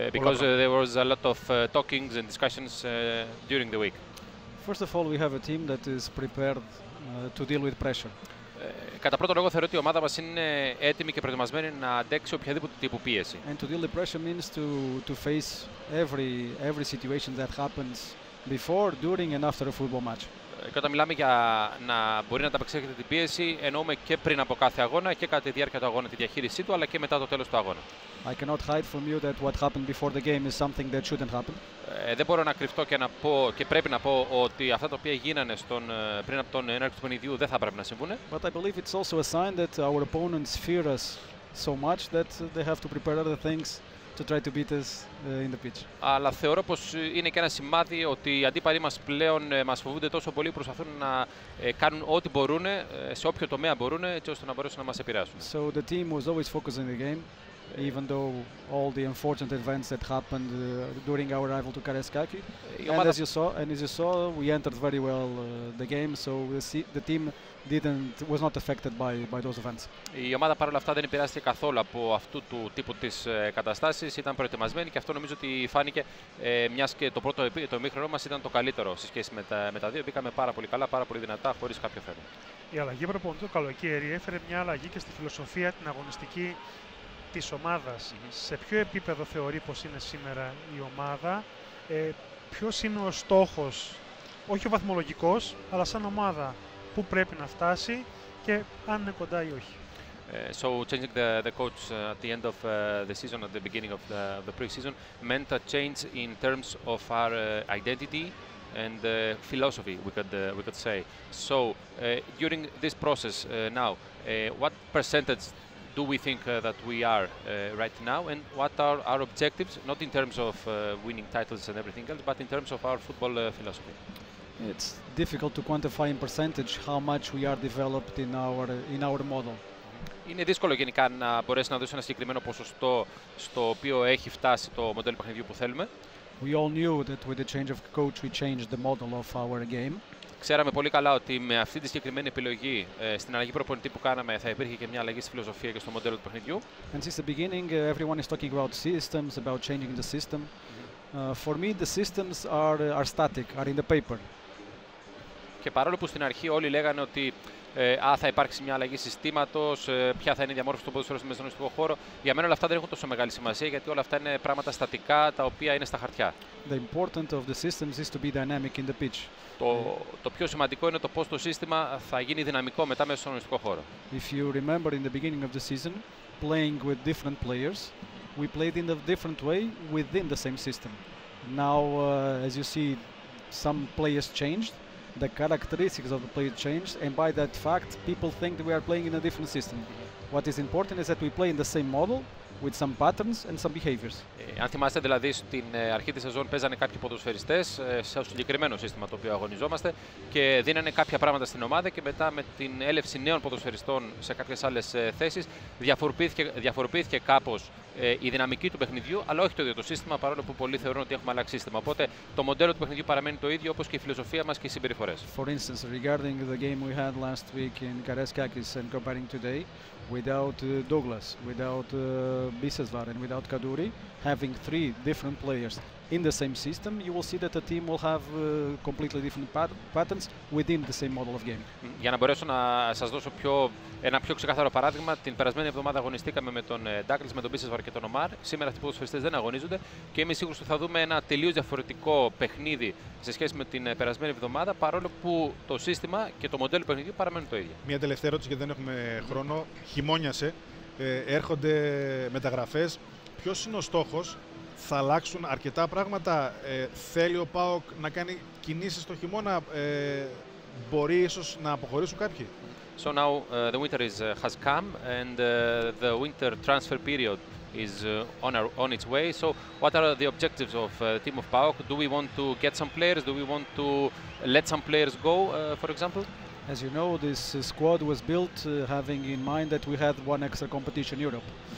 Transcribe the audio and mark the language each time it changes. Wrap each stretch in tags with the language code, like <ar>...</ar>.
<en>Because there was a lot of talkings and discussions during the week. First of all, we have a team that is prepared to deal with pressure.</en> <el>Κατά πρώτο λόγο θεωρώ ότι η ομάδα μας είναι έτοιμη και προετοιμασμένη να αντέξει οποιαδήποτε τύπου πίεση.</el> <en>And to deal with pressure means to face every situation that happens before, during and after a football match.</en> <el>Και όταν μιλάμε για να μπορεί να ανταπεξέλθει την πίεση, εννοούμε και πριν από κάθε αγώνα και κατά τη διάρκεια του αγώνα τη διαχείρισή του, αλλά και μετά το τέλος του αγώνα.</el> <en>I cannot hide from you that what happened before the game is something that shouldn't happen.</en> <el>Δεν μπορώ να κρυφτώ και να πω και πρέπει να πω ότι αυτά τα οποία γίνανε πριν από τον έναρξη του παιχνιδιού δεν θα πρέπει να συμβούνε.</el> <en>But I believe it's also a sign that our opponents fear us so much that they have to prepare other things to try to beat us in the pitch.</en> <el>Αλλά θεωρώ πως είναι και ένα σημάδι ότι οι αντίπαλοι μας πλέον μας φοβούνται τόσο πολύ που προσπαθούν να κάνουν ό,τι μπορούν σε όποιο τομέα μπορούν έτσι ώστε να μπορέσουν να μας επηρεάσουν.</el> <en>So the team was always focused on the game, even though all the unfortunate events that happened during our arrival to Karaiskaki. And as you saw, we entered very well the game, so the team was not affected by those events.</en> <el>Η ομάδα παρόλα αυτά δεν επηρεάστηκε καθόλου από αυτού του τύπου της καταστάσης. Ήταν προετοιμασμένη και αυτό νομίζω ότι φάνηκε μιας και το πρώτο το ημίχρονο μας ήταν το καλύτερο σε σχέση με τα δύο. Μπήκαμε πάρα πολύ καλά, πάρα πολύ δυνατά, χωρίς κάποιο θέμα. Η αλλαγή προπονητή το καλοκαίρι έφερε μια αλλαγή και στη φιλοσοφία την αγωνιστική της ομάδας. Σε ποιο επίπεδο θεωρεί πως είναι σήμερα η ομάδα, ποιος είναι ο στόχος, όχι ο βαθμολογικός, αλλά σαν ομάδα, πού πρέπει να φτάσει και αν είναι κοντά ή όχι.</el> <en>So changing the coach at the end of the season, at the beginning of the pre-season, meant a change in terms of our identity and philosophy, we could say. So during this process now, what percentage do we think that we are right now, and what are our objectives, not in terms of winning titles and everything else, but in terms of our football philosophy? It's difficult to quantify in percentage how much we are developed in our model.</en> <el>Είναι δύσκολο γενικά να μπορέσει να δώσει ένα συγκεκριμένο ποσοστό στο οποίο έχει φτάσει το μοντέλο παιχνιδιού που θέλουμε.</el> <en>We all knew that with the change of coach we changed the model of our game.</en> <el>Ξέραμε πολύ καλά ότι με αυτή τη συγκεκριμένη επιλογή στην αλλαγή προπονητή που κάναμε θα υπήρχε και μια αλλαγή στη φιλοσοφία και στο μοντέλο του παιχνιδιού.</el> <en>And since the beginning everyone is talking about systems, about changing the system. For me the systems are static, are in the paper.</en> <el>Και παρόλο που στην αρχή όλοι λέγανε ότι θα υπάρξει μια αλλαγή συστήματος, ποια θα είναι η διαμόρφωση του ποδοσφαίρου στο μεσογειακό χώρο, για μένα όλα αυτά δεν έχουν τόσο μεγάλη σημασία γιατί όλα αυτά είναι πράγματα στατικά τα οποία είναι στα χαρτιά.</el> <en>The important of the systems is to be dynamic in the pitch.</en> <el>Το πιο σημαντικό είναι το πώς το σύστημα θα γίνει δυναμικό μετά μέσα στον αγωνιστικό χώρο.</el> <en>If you remember in the beginning of the season, playing with different players, we played in a different way within the same system. Now, as you see, some players changed, the characteristics of the players changed, and by that fact, people think that we are playing in a different system. What is important is that we play in the same model, with some patterns and some behaviors.</en> <el>Αν θυμάστε δηλαδή στην αρχή της σεζόν παίζανε κάποιοι ποδοσφαιριστές σε συγκεκριμένο σύστημα το οποίο αγωνιζόμαστε και δίνανε κάποια πράγματα στην ομάδα και μετά με την έλευση νέων ποδοσφαιριστών σε κάποιες άλλες θέσεις διαφοροποιήθηκε κάπως η δυναμική του παιχνιδιού, αλλά όχι το ίδιο το σύστημα, παρόλο που πολλοί θεωρούν ότι έχουμε αλλάξει σύστημα. Οπότε το μοντέλο του παιχνιδιού παραμένει το ίδιο, όπως και η φιλοσοφία μας και οι συμπεριφορές.</el> <en>For instance, regarding the game we had last week in Karaiskakis and comparing today, without Douglas, without Biseswar and without Kaduri, having three different players in the same system, you will see that the team will have completely different patterns within the same model of game.</en> <el>Για να μπορέσω να σας δώσω ένα πιο ξεκάθαρο παράδειγμα, την περασμένη εβδομάδα αγωνιστήκαμε με τον Douglas, με τον Biseswar και τον Omar. Σήμερα αυτοί οι ποδοσφαιριστές δεν αγωνίζονται και είμαι σίγουρος ότι θα δούμε ένα τελείως διαφορετικό παιχνίδι σε σχέση με την περασμένη εβδομάδα, παρόλο που το σύστημα και το μοντέλο παιχνιδιού παραμένουν το ίδιο. Μια τελευταία ερώτηση, γιατί δεν έχουμε χρόνο. Χειμώνιασε. Έρχονται μεταγραφές. Ποιος είναι ο στόχος? Θα αλλάξουν αρκετά πράγματα? Θέλει ο ΠΑΟΚ να κάνει κινήσεις το χειμώνα? Μπορεί ίσως να αποχωρήσουν κάποιοι?</el> <en>So now the winter has come and the winter transfer period is on its way. So what are the objectives of the team of ΠΑΟΚ? Do we want to get some players? Do we want to let some players go, for example? As you know, this squad was built having in mind that we had one extra competition, Europe.</en>